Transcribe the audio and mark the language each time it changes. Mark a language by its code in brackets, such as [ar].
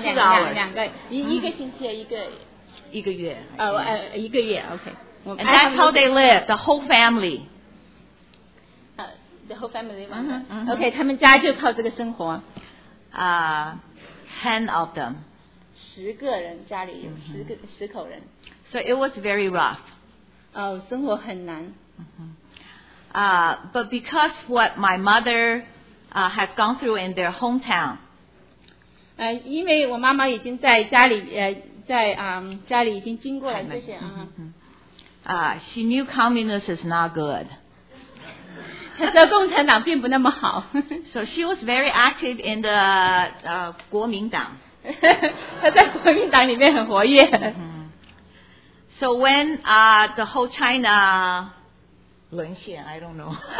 [zh] $2一个星期一个月一个月 OK [en] And that's how they live the whole family. The whole family. Okay, [zh] 他们家就靠这个生活。 [en] Ten of them. [zh] 十个人家里有十口人。 [en] So it was very rough. [zh] 生活很难。 [en] But because what my mother has gone through in their hometown. [zh] 因为我妈妈已经在家里家里已经经过了这些 [en] She knew communism is not good. [zh] 她知道共产党并不那么好。 [en] So she was very active in the 国民党。 [zh] 她在国民党里面很活跃。 [en] So when the whole China 沦陷 I don't know.